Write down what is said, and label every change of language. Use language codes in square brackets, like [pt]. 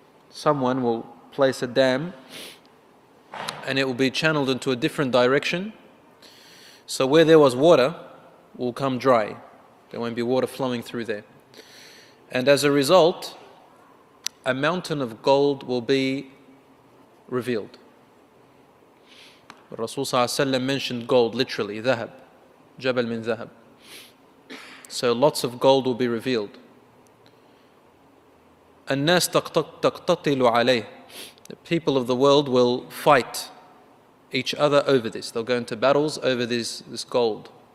[en] Someone will place a dam and it will be channeled into a different direction. So where there was water will come dry. There won't be water flowing through there. And as a result, a mountain of gold will be revealed. Rasul ﷺ mentioned gold, literally, [ar] ذهب, جبل من ذهب. [en] So lots of gold will be revealed. [ar] الناس تقتتل عليه. [en] The people of the world will fight each other over this. They'll go into battles over this gold.